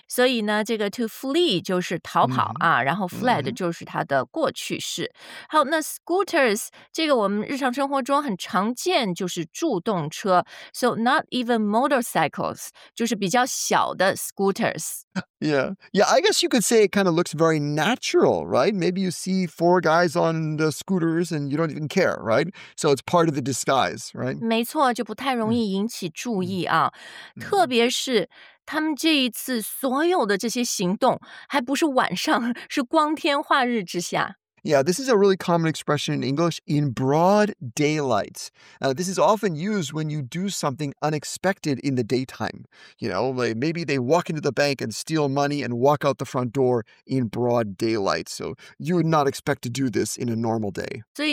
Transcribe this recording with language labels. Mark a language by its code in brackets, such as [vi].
[zh] 所以呢,这个to flee就是逃跑啊, 然后fled就是它的过去式。好,那scooters,这个我们日常生活中很常见就是助动车, [en] so not even motorcycles, [zh] 就是比较小的scooters. [en] Yeah, I guess you could say it kind of looks very natural, right? Maybe you see 4 guys on the scooters and you don't even care, right? So it's part of the disguise, right? [zh] 没错,就不太容易引起注意啊,特别是 他们这一次所有的这些行动还不是晚上,是光天化日之下。 [en] Yeah, this is a really common expression in English, in broad daylight. This is often used when you do something unexpected in the daytime. You know, like maybe they walk into the bank and steal money and walk out the front door in broad daylight. So you would not expect to do this in a normal day.